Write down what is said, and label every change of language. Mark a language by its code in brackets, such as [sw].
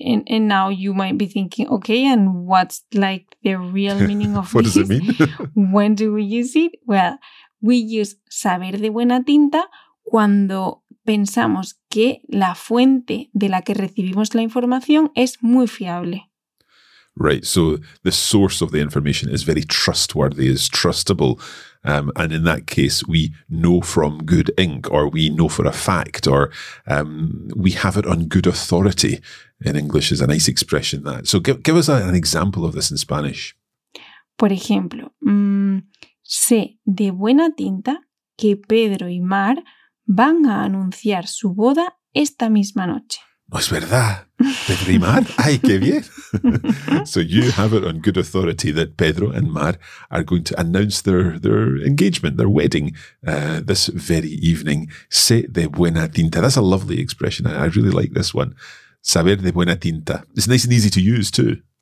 [en] And now you might be thinking, okay, and what's like the real meaning of what this? What does it mean? When do we use it? Well, we use [es] saber de buena tinta cuando pensamos que la fuente de la que recibimos la información es muy fiable. [en] Right, so the source of the information is very trustworthy, is trustable. And in that case, we know from good ink, or we know for a fact, or we have it on good authority. In English is a nice expression that. So give us an example of this in Spanish. [es] Por ejemplo, sé de buena tinta que Pedro y Mar van a anunciar su boda esta misma noche. No es verdad. Pedro y Mar. ¡Ay, qué bien! [en] So you have it on good authority that Pedro and Mar are going to announce their engagement, their wedding, this very evening. [es] Sé de buena tinta. [en] That's a lovely expression. I really like this one. [es] Saber de buena tinta. [en] It's nice and easy to use too.